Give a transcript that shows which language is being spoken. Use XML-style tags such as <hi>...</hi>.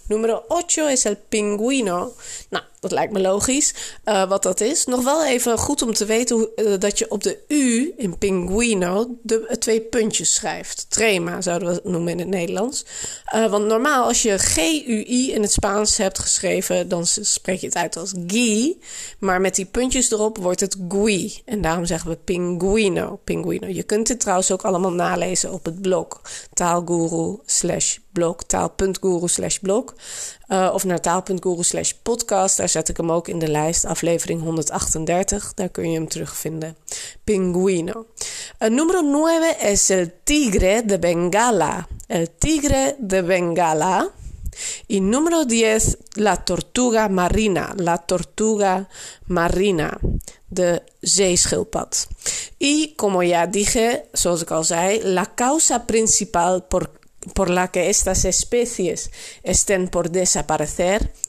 <es>Número ocho es el pingüino.</es> <nl>Nou, dat lijkt me logisch wat dat is. Nog wel even goed om te weten dat je op de U in pingüino de twee puntjes schrijft. Trema zouden we het noemen in het Nederlands. Want normaal, als je G-U-I in het Spaans hebt geschreven, dan spreek je het uit als gui. Maar met die puntjes erop wordt het gui. En daarom zeggen we pingüino. Pingüino. Je kunt dit trouwens ook allemaal nalezen op het blog. Taalguru/blog. Taal.guru/blog. Of naar taal.guru/podcast. Daar zet ik hem ook in de lijst, aflevering 138. Daar kun je hem terugvinden.</nl> <es>Pinguino. Número 9 es el tigre de Bengala. El tigre de Bengala. Y número 10, la tortuga marina. La tortuga marina. De zeeschildpad. Y como ya dije,</es> <nl>zoals ik al zei,</nl> <es>la causa principal por la que estas especies estén por desaparecer.</es>